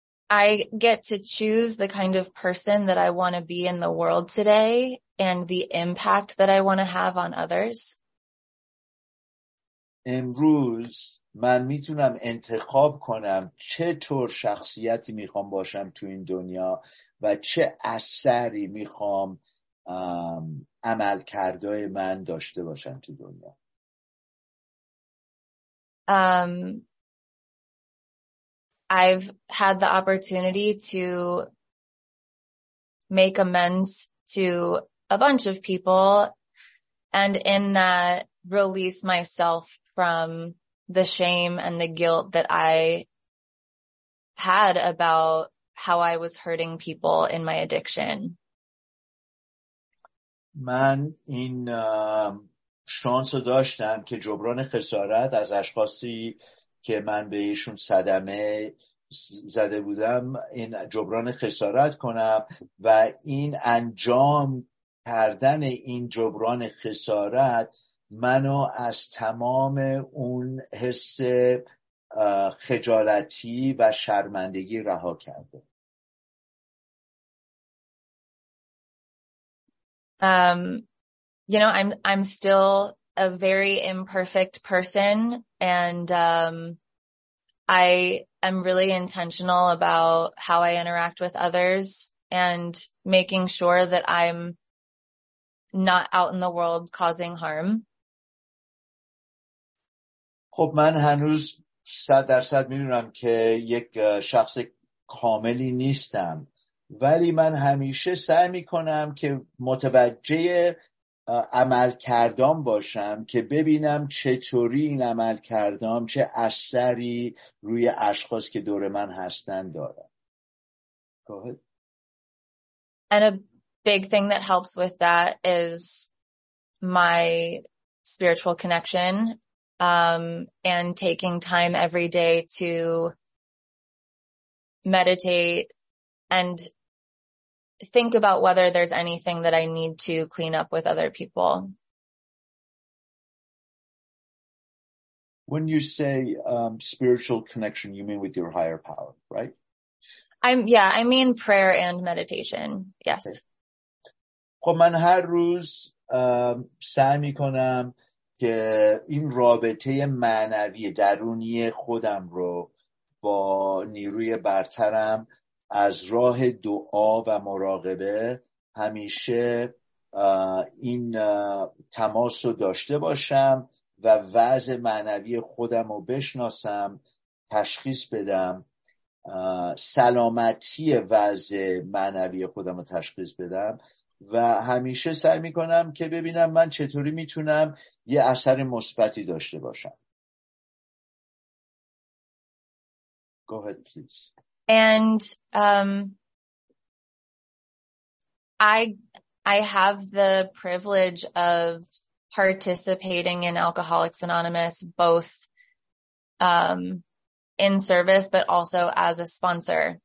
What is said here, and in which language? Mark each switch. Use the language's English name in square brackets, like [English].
[English] I get to choose the kind of person that I want to be in the world today and the impact that I want to have on others. [Persian] امروز من میتونم انتخاب کنم چه طور شخصیتی میخوام باشم تو این دنیا و چه اثری میخوام عملکردهای من داشته باشن تو دنیا. [English] I've had the opportunity to make amends to a bunch of people and in that release myself from the shame and the guilt that I had about how I was hurting people in my addiction. [Persian] من این شانس رو داشتم که جبران خسارت از اشخاصی که من بهشون صدمه زده بودم این جبران خسارت کنم و این انجام کردن این جبران خسارت منو از تمام اون حس خجالتی و شرمندگی رها کرده. [English] You know, I'm still a very imperfect person, and I am really intentional about how I interact with others and making sure that I'm not out in the world causing harm. [Persian] خب من هنوز 100% میدونم که یک شخص کاملی نیستم ولی من همیشه سعی میکنم که متوجه عملکردام باشم که ببینم چطوری این عملکردام چه اثری روی اشخاص که دور من هستن دارم. [English] And a big thing that helps with that is my spiritual connection. And taking time every day to meditate and think about whether there's anything that I need to clean up with other people. When you say spiritual connection, you mean with your higher power, right? I mean prayer and meditation. Yes. [Persian] خب من هر روز سعی می‌کنم که این رابطه معنوی درونی خودم رو با نیروی برترم از راه دعا و مراقبه همیشه این تماس رو داشته باشم و وضع معنوی خودم رو بشناسم، تشخیص بدم، سلامتی وضع معنوی خودم رو تشخیص بدم و همیشه سعی میکنم که ببینم من چطوری میتونم یه اثر مثبتی داشته باشم. [English] Go ahead, please. And I have the privilege of participating in Alcoholics Anonymous both in service but also as a sponsor.